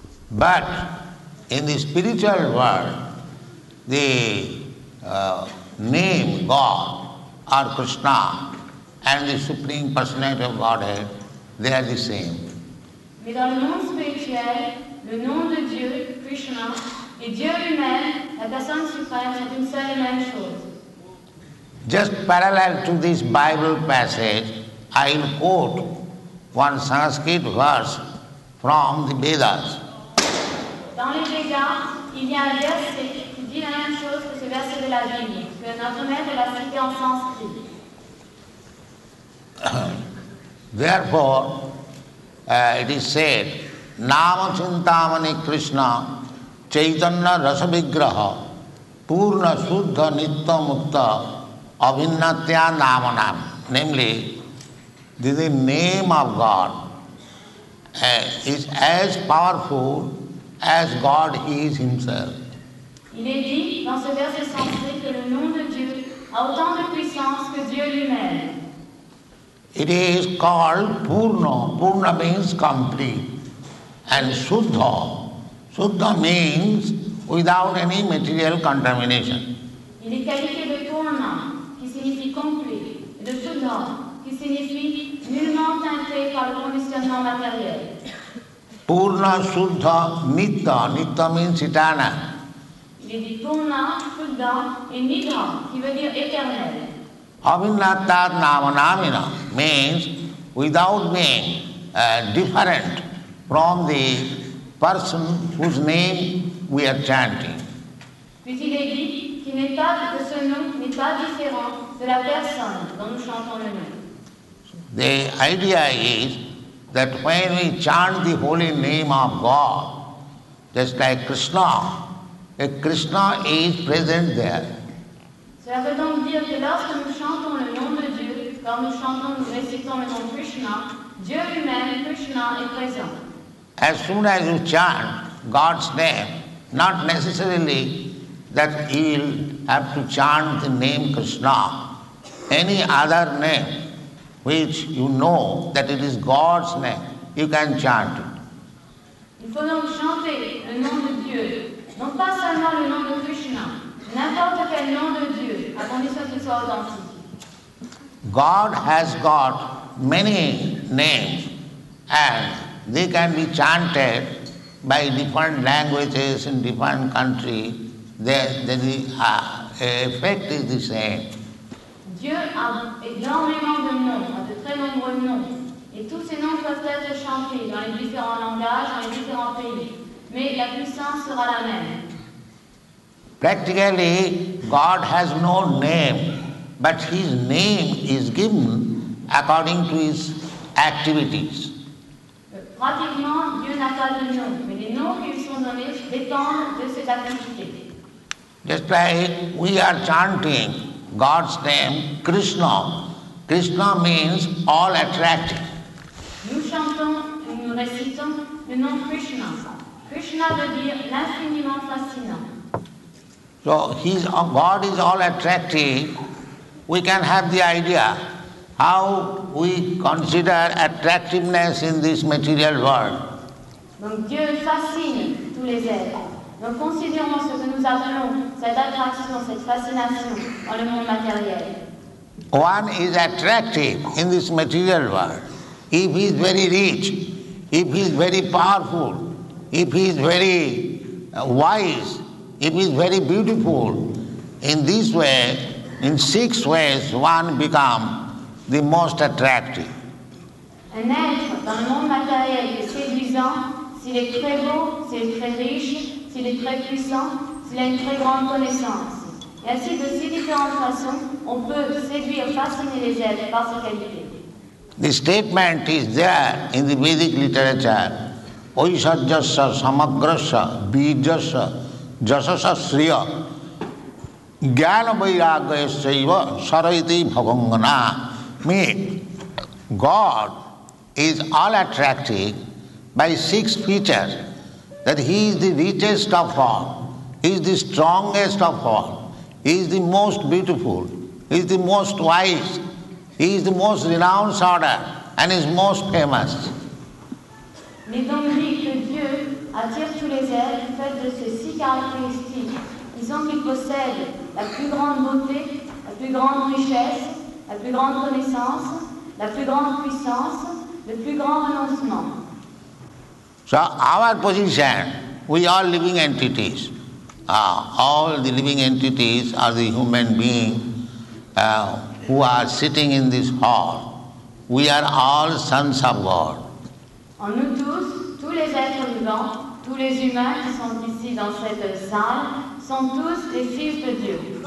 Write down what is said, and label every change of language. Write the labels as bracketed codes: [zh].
[en] But in the spiritual world, the name God or Krishna and the Supreme Personality of Godhead, they are the same. [fr] Mais dans le monde spirituel, le nom de Dieu, Krishna, et Dieu lui-même, la personne suprême, sont une seule et même chose. [en] Just parallel to this Bible passage, I will quote one Sanskrit verse from the Vedas. [fr] Dans les Vedas, il y a un verset qui dit la même chose que ce verset de la Bible, que notre maître l'a cité en sanskrit. [en] Therefore, it is said, [sa] Nama Chintamani Krishna Chaitanya Rasavigraha Purna Suddha Nitya Mukta Abhinnatya Namanam. [en] Namely, the name of God is as powerful as God He is Himself. [fr] Il est dit dans ce verset sanskrit que le nom de Dieu a autant de puissance que Dieu lui-même. [en] It is called Purna. Purna means complete. And Shuddha. Shuddha means without any material contamination. [fr] Il est qualifié de Purna, qui signifie complete, et de Shuddha, qui signifie nullement teinté par le conditionnement matériel. [en] Purna, Shuddha, Nitya. Nitya means eternal. [fr] Il est dit Purna, Shuddha et Nitya, qui veut dire éternel. [en] Abhinnatya Namanamina means without being different from the person whose name we are chanting. [fr] Puis il est dit que ce nom n'est pas différent de la personne dont nous chantons le nom. [en] The idea is that when we chant the holy name of God, just like Krishna, a Krishna is present there. [fr] Cela veut donc dire que lorsque nous chantons le nom de Dieu, quand nous chantons, nous récitons le nom Krishna, Dieu lui-même, Krishna, est présent. [en] As soon as you chant God's name, not necessarily that you'll have to chant the name Krishna, any other name which you know that it is God's name, you can chant it. [fr] Il faut donc chanter le nom de Dieu, non pas seulement le nom de Krishna, n'importe quel nom de Dieu, à condition qu'il soit authentique. [en] God has got many names, and they can be chanted by different languages in different countries. The effect is the same. [fr] Dieu a énormément de noms, a de très nombreux noms, et tous ces noms peuvent être chantés dans les différents langages, dans les différents pays, mais la puissance sera la même. [en] Practically, God has no name, but His name is given according to His activities. [fr] Pratiquement, Dieu n'a pas de nom, mais les noms qui lui sont donnés dépendent de ses activités. [en] Just like we are chanting God's name, Krishna. Krishna means all attractive. [fr] Nous chantons et nous récitons le nom Krishna. Krishna veut dire l'infiniment fascinant. [en] So God is all attractive. We can have the idea how we consider attractiveness in this material world. [fr] Donc Dieu fascine tous les êtres. Donc considérons ce que nous appelons cette attraction, cette fascination dans le monde matériel. [en] One is attractive in this material world. If he is very rich, if he is very powerful, if he is very wise, if he is very beautiful, in this way, in six ways, one becomes the most attractive. [fr] Un être dans le monde matériel est séduisant s'il est très beau, s'il est très riche, s'il est très puissant, s'il a une très grande connaissance. Et ainsi, de ces différentes façons, on peut séduire, fasciner les êtres par ses qualités. [en] The statement is there in the Vedic literature. [sa] Oishajasya samagrasya bijasya jasasya sriya jnana-vairagya-saiva sarayati bhavangana. [en] Meaning, God is all-attractive by six features. That He is the richest of all, He is the strongest of all, He is the most beautiful, He is the most wise, He is the most renowned order and is most famous. [fr] Mais donc dit que Dieu attire tous les êtres du fait de ses six caractéristiques, disant qu'il possède la plus grande beauté, la plus grande richesse, la plus grande connaissance, la plus grande puissance, le plus grand renoncement. [en] So our position, we are living entities. All the living entities are the human beings. Who are sitting in this hall. We are all sons of God. [fr] En nous tous, tous les êtres vivants, tous les humains qui sont ici dans cette salle, sont tous les fils de Dieu.